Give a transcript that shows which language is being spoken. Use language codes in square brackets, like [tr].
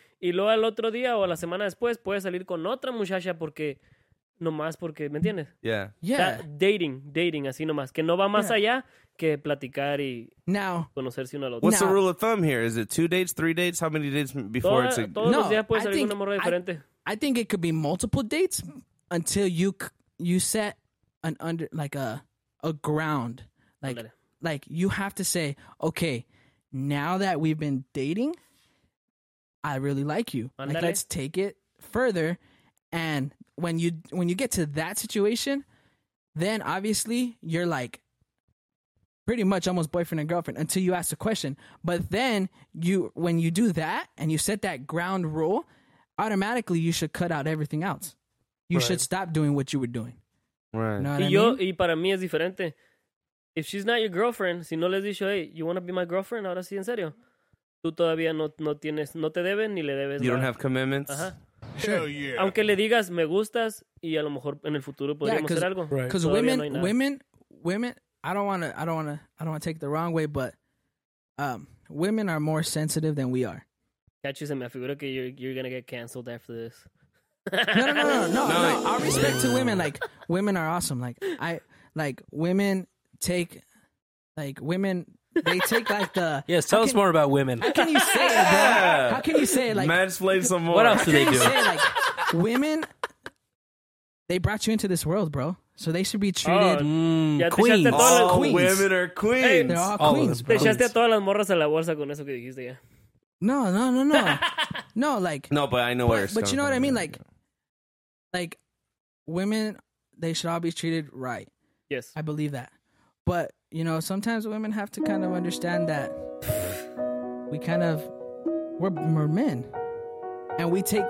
[es] Y luego al otro día o a la semana después puedes salir con otra muchacha porque, nomás porque, ¿me entiendes? [en] Yeah. Yeah. [es] Dating, así nomás, que no va más allá que platicar y [en] now, [es] conocerse uno al otro. [en] What's the rule of thumb here? Is it 2 dates, 3 dates? How many dates before it's a... [es] Todos los días puedes salir con una morra diferente. [en] I think it could be multiple dates until you set an under, like a ground, like you have to say, okay, now that we've been dating, I really like you. [es] Andale. [en] Like, let's take it further. And when you get to that situation, then obviously you're like pretty much almost boyfriend and girlfriend until you ask the question. But then when you do that and you set that ground rule, automatically, you should cut out everything else. You should stop doing what you were doing. Right. You know what I mean? [es] Y para mí es diferente. [en] If she's not your girlfriend, [es] si no le has dicho, [en] hey, you want to be my girlfriend? [es] Ahora sí, en serio. Tú todavía no tienes, no te deben ni le debes. [en] You don't have commitments? Uh-huh. Hell yeah. [es] Aunque le digas, me gustas, y a lo mejor en el futuro podríamos hacer algo. [en] Because women, I don't want to take it the wrong way, but women are more sensitive than we are. Catches him. I figure that you're gonna get canceled after this. No. Our respect to women, like, women are awesome. Like, I like women take, like, women, they take, like, the yes. Tell us more about women. How can you say it, bro? How can you say it? Like, mansplain some more. What else do they do? Say, like, women, they brought you into this world, bro. So they should be treated queens. All queens. Women are queens. Hey, they're all queens, bro. [es] Te echaste a todas las morras a la bolsa con eso que dijiste ya. [en] No, no, no, no. No, like... No, but I know where it's coming. But you know what I mean? Like, women, they should all be treated right. Yes. I believe that. But, you know, sometimes women have to kind of understand that we kind of... We're men. And we take...